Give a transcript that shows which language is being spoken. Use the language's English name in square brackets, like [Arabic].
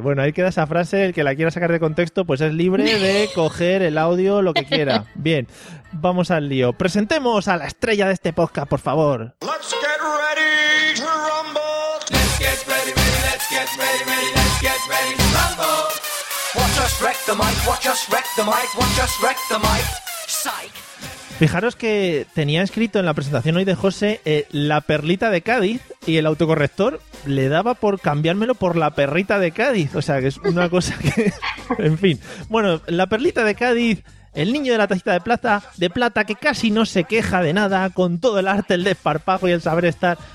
[Spanish] Bueno, ahí queda esa frase. El que la quiera sacar de contexto, pues es libre de coger el audio, lo que quiera. Bien, vamos al lío. Presentemos a la estrella de este podcast, por favor. [English] Let's get ready to rumble. Let's get ready, ready, let's get ready, ready, let's get ready to rumble. Watch us wreck the mic, watch us wreck the mic, watch us wreck the mic. Psych. [Spanish] Fijaros que tenía escrito en la presentación hoy de José la perlita de Cádiz y el autocorrector le daba por cambiármelo por la perrita de Cádiz. O sea, que es una cosa que... En fin. Bueno, la perlita de Cádiz, el niño de la tacita de plata que casi no se queja de nada con todo el arte, el desparpajo y el saber estar.